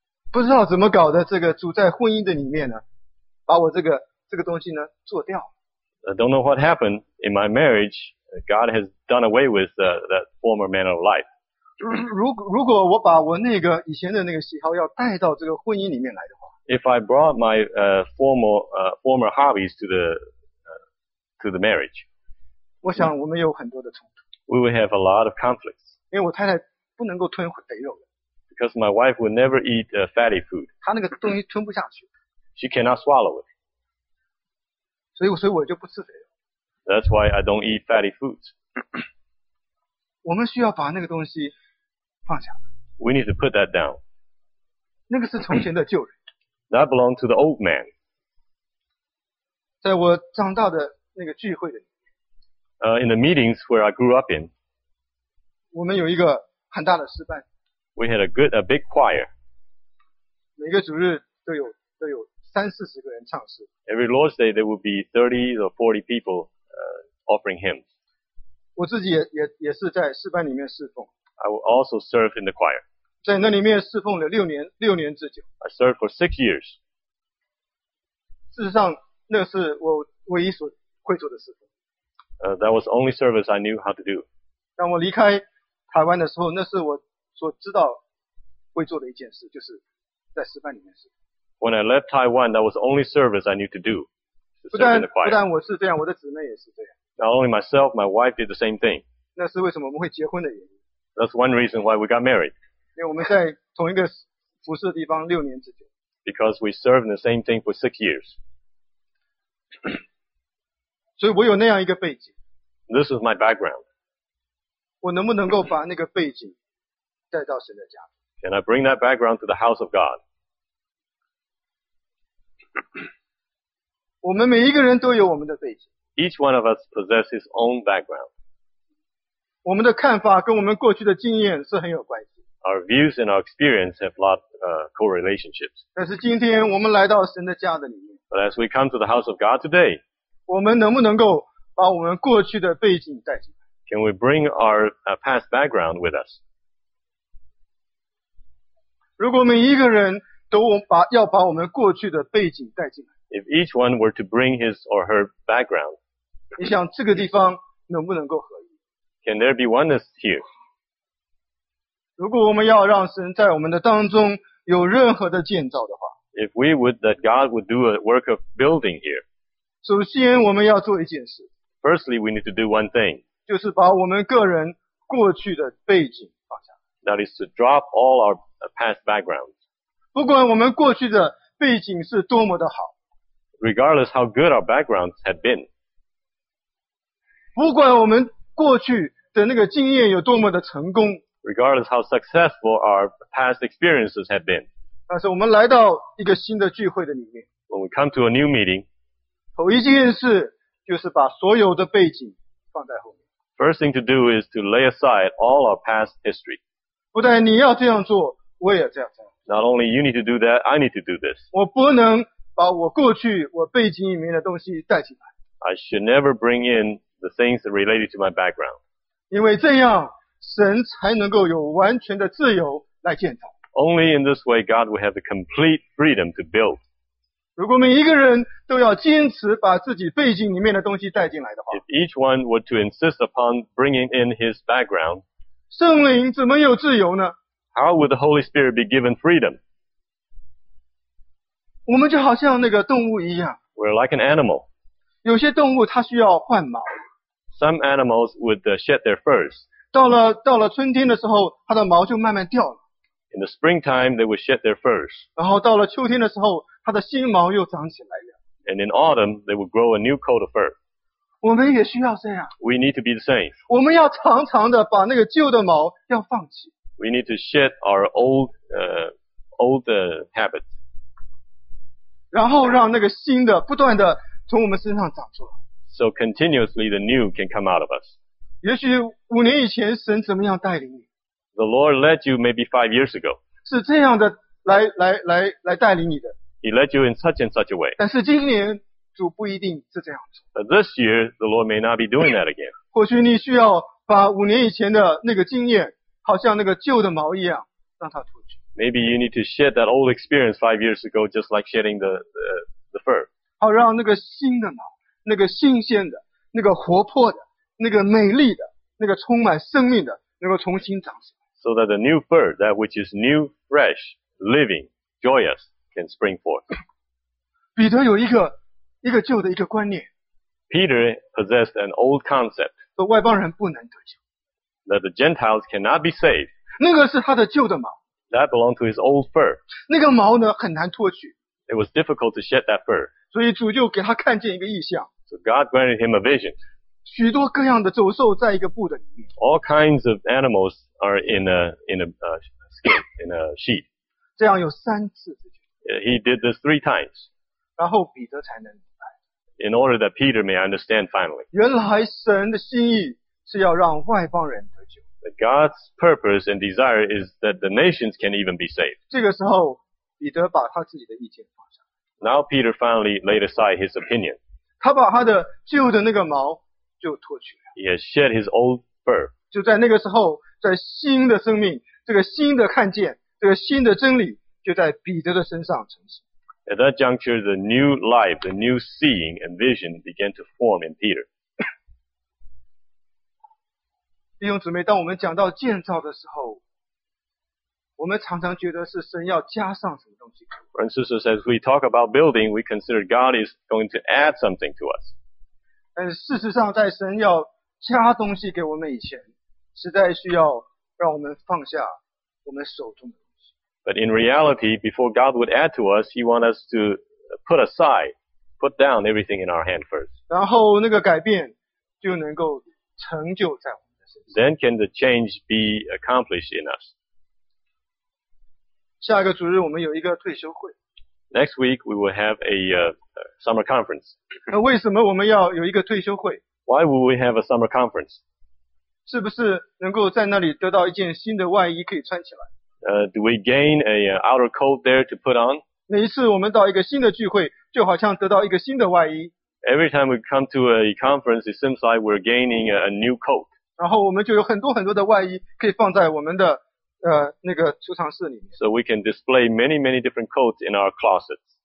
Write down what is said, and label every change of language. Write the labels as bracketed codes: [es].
[zh] 不知道怎么搞的，这个主在婚姻的里面呢，把我这个东西呢做掉。 [en] I don't know what happened in my marriage. God has done away with that former manner of life. [zh] 如果我把我那个以前的那个喜好要带到这个婚姻里面来的话 [en] if I brought my former hobbies to the marriage, [zh] 我想我们有很多的冲突。 [en] We would have a lot of conflicts. [zh] 因为我太太不能够吞肥肉的。 [en] Because my wife would never eat fatty food. [zh] 她那个东西吞不下去。 [en] She cannot swallow it. [zh] 所以我就不吃肥肉。 [en] That's why I don't eat fatty foods. [zh] 我们需要把那个东西放下。 [en] We need to put that down. [zh] 那个是从前的旧人。 [en] That belonged to the old man. [zh] 在我长大的那个聚会的里面。 [en] In the meetings where I grew up in. [zh] 我们有一个很大的诗班。 [en] We had a big choir. [zh] 每个主日都有三四十个人唱诗。 [en] Every Lord's Day there would be 30 or 40 people offering hymns. [zh] 我自己 也是在诗班里面侍奉。 [en] I will also serve in the choir. [zh] 在那里面侍奉了六年之久。 [en] I served for 6 years. [zh] 事实上那是我唯一所会做的侍奉。 [en] That was the only service I knew how to do. [zh] 当我离开台湾的时候那是我所知道会做的一件事就是在侍班里面侍奉。 [en] When I left Taiwan, that was the only service I knew to do. To serve in the choir. [zh] 不但我是这样我的姊妹也是这样。 [en] Not only myself, my wife did the same thing. [zh] 那是为什么我们会结婚的原因。 [en] That's one reason why we got married. [zh] 因为我们在同一个服侍的地方六年之久。 [en] Because we served in the same thing for 6 years. [zh] 所以我有那样一个背景。 [en] This is my background. [zh] 我能不能够把那个背景带到神的家里。 [en] Can I bring that background to the house of God? [zh] 我们每一个人都有我们的背景。 [en] Each one of us possess his own background. [zh] 我们的看法跟我们过去的经验是很有关系。 [en] Our views and our experience have lot correlationships. [zh] 但是今天我们来到神的家的里面。 [en] But as we come to the house of God today, [zh] 我们能不能够把我们过去的背景带进来？ [en] Can we bring our past background with us? [zh] 如果每一个人都要把我们过去的背景带进来。 [en] If each one were to bring his or her background, [zh] 你想这个地方能不能够合一？ [en] Can there be oneness here? [zh] 如果我们要让神在我们的当中有任何的建造的话， [en] If we would that God would do a work of building here, [zh] 首先我们要做一件事， [en] Firstly, we need to do one thing, [zh] 就是把我们个人过去的背景放下。 [en] That is to drop all our past backgrounds. [zh] 不管我们过去的背景是多么的好， [en] Regardless how good our backgrounds had been. [zh] 不管我们过去的那个经验有多么的成功， [en] Regardless how successful our past experiences had been. [zh] 但是我们来到一个新的聚会的里面， [en] When we come to a new meeting, [zh] 头一件事就是把所有的背景放在后面。 [en] First thing to do is to lay aside all our past history. [zh] 不但你要这样做，我也这样做。 [en] Not only you need to do that, I need to do this. [zh] 我不能把我过去我背景里面的东西带进来。 [en] I should never bring in the things related to my background. [zh] 因为这样神才能够有完全的自由来建造。 [en] Only in this way God will have the complete freedom to build. [zh] 如果每一个人都要坚持把自己背景里面的东西带进来的话， [en] If each one were to insist upon bringing in his background, [zh] 圣灵怎么有自由呢？ [en] How would the Holy Spirit be given freedom? [zh] 我们就好像那个动物一样。 [en] We're like an animal. [zh] 有些动物它需要换毛。 [en] Some animals would shed their furs. [zh] 到了春天的时候，它的毛就慢慢掉了。 [en] In the springtime, they would shed their furs. [zh] 然后到了秋天的时候，它的新毛又长起来了。 [en] And in autumn, they would grow a new coat of fur. [zh] 我们也需要这样。 [en] We need to be the same. [zh] 我们要常常的把那个旧的毛要放弃。 [en] We need to shed our old habits. [zh] 然后让那个新的不断的从我们身上长出来。 [en] So continuously the new can come out of us. [zh] 也许五年以前神怎么样带领你？ [en] The Lord led you maybe 5 years ago. [zh] 是这样的来带领你的。 [en] He led you in such and such a way. [zh] 但是今年主不一定是这样做。 [en] But this year the Lord may not be doing that again. [zh] 或许你需要把五年以前的那个经验，好像那个旧的毛一样，让它脱去。 [en] Maybe you need to shed that old experience 5 years ago, just like shedding the fur. [zh] 好，让那个新的毛，那个新鲜的，那个活泼的，那个美丽的，那个充满生命的，能够重新长起来。 [en] So that the new fur, that which is new, fresh, living, joyous, can spring forth. [zh] 彼得有一个旧的一个观念。 [en] Peter possessed an old concept. [zh] 说外邦人不能得救。 [en] That the Gentiles cannot be saved. [zh] 那个是他的旧的毛。 [en] That belonged to his old fur. [zh] 那个毛呢很难脱去。 [en] It was difficult to shed that fur. [zh] 所以主就给他看见一个异象。 [en] So God granted him a vision. [zh] 许多各样的走兽在一个布的里面。 [en] All kinds of animals are in a sheet. [zh] 这样有三次。 [en] He did this three times. [zh] 然后彼得才能。 [en] In order that Peter may understand finally. [zh] 原来神的心意是要让外邦人得救。 [en] That God's purpose and desire is that the nations can even be saved. [zh] 这个时候彼得把他自己的意见放下。 [en] Now Peter finally laid aside his opinion. [zh] 他把他的旧的那个毛就脱去了。 [en] He has shed his old fur. [zh] 就在那个时候，在新的生命，这个新的看见，这个新的真理，就在彼得的身上成型。 [en] At that juncture, the new life, the new seeing and vision began to form in Peter. [zh] 弟兄姊妹，当我们讲到建造的时候，我们常常觉得是神要加上什么东西。 [en] Friends, sisters, as we talk about building, we consider God is going to add something to us. [zh] 但事实上，在神要加东西给我们以前，实在需要让我们放下我们手中的。 [en] But in reality, before God would add to us, He wants us to put aside, put down everything in our hand first. [zh] 然后那个改变就能够成就在我们的身上。 [en] Then can the change be accomplished in us? [zh] 下一个主日我们有一个退休会。 [en] Next week we will have a summer conference. [zh] 那为什么我们要有一个退休会？ [en] Why would we have a summer conference? [zh] 是不是能够在那里得到一件新的外衣可以穿起来？ [en] Do we gain a outer coat there to put on? [zh] 每一次我们到一个新的聚会，就好像得到一个新的外衣。 [en] Every time we come to a conference, it seems like we're gaining a new coat. [zh] 然后我们就有很多很多的外衣可以放在我们的那个储藏室里面。 [en] So we can display many, many different coats in our closets.